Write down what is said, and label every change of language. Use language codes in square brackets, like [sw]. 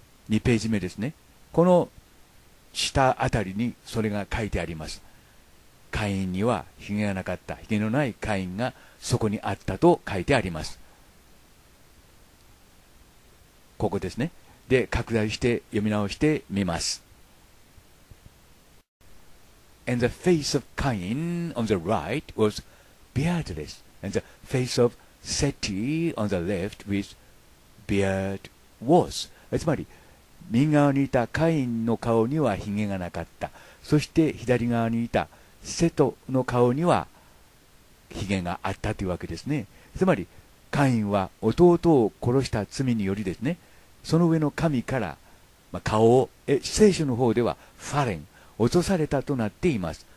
[ja] 2ページ目ですね、この下あたりにそれが書いてあります。会員にはヒゲがなかった、ヒゲのない会員がそこにあったと書いてあります。ここですね。で、拡大して読み直してみます。 [en] And the face of Cain on the right was beardless, and the face of Seti on the left with beard was。 [ja] つまり右側にいたカインの顔にはヒゲがなかった、そして左側にいたセトの顔にはヒゲがあったというわけですね。つまりカインは弟を殺した罪によりですね、その上の神から、まあ、顔を聖書の方ではファレン、落とされたとなっています。